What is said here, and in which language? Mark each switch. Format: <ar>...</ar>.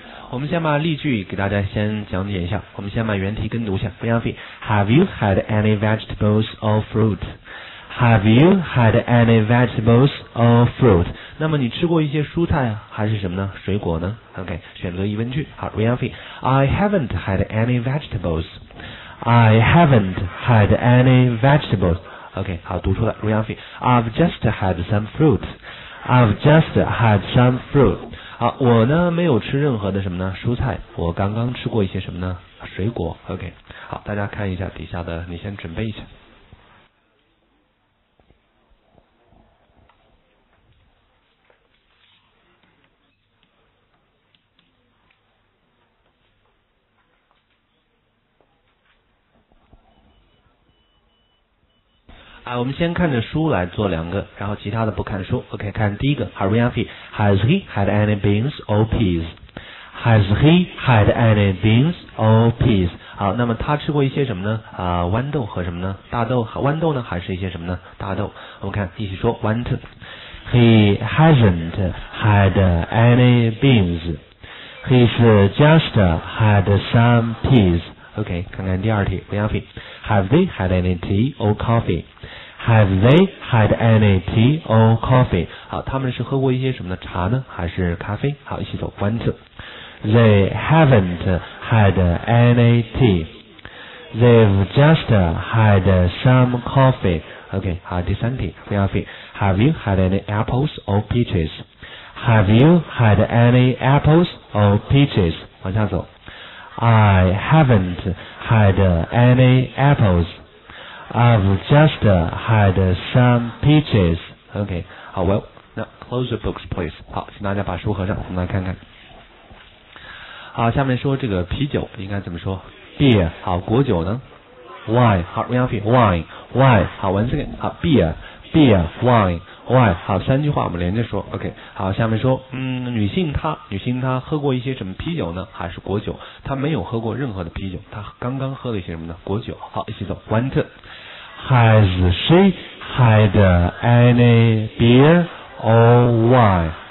<zh>我们先把例句给大家先讲解一下，我们先把原题跟读一下。非常费</zh> <en>Have you had any vegetables or fruit? Have you had any vegetables or fruit?</en> <zh>那么你吃过一些蔬菜还是什么呢？水果呢？OK, 选择疑问句。好，非常费</zh> <en>I haven't had any vegetables. I haven't had any vegetables.</en> <zh>OK, 好，读出来。非常费</zh> <en>I've just had some fruit. I've just had some fruit.</en> <zh>好，我呢没有吃任何的什么呢？蔬菜，我刚刚吃过一些什么呢？水果。 OK, 好，大家看一下底下的，你先准备一下。啊，我们先看着书来做两个，然后其他的不看书。</zh> <en>OK,</en> <zh>看第一个</zh> <en>，Harvey has he had any beans or peas? Has he had any beans or peas?</en> <zh>好，那么他吃过一些什么呢？啊，豌豆和什么呢？大豆，豌豆呢，还是一些什么呢？大豆。我们看，一起说</zh> <en>，one two, he hasn't had any beans. He's just had some peas. OK,</en> <zh>看看第二题</zh> <en>,Have they had any tea or coffee? Have they had any tea or coffee?</en> <zh>好，他们是喝过一些什么的茶呢？还是咖啡？好，一起走 ,</zh> <en>one, two. They haven't had any tea. They've just had some coffee. OK,</en> <zh>好，第三题</zh> <en>,Have you had any apples or peaches? Have you had any apples or peaches?</en> <zh>往下走。</zh> <en>I haven't had any apples. I've just had some peaches. OK, 好 ,well, now close the books, please.</en> <zh>好，请大家把书合上，我们来看看。好，下面说这个啤酒应该怎么说 ?Beer, 好，果酒呢 ?Wine, 好 ,wine, 好 ,</zh> <en>one second,</en> <zh>好 ,beer, wine, 好，三句话我们连着说 ,OK, 好，下面说女性她喝过一些什么啤酒呢？还是果酒？她没有喝过任何的啤酒，她刚刚喝了一些什么呢？果酒。好，一起走 ,</zh> <en>one, two. Has she had any beer or wine?</en>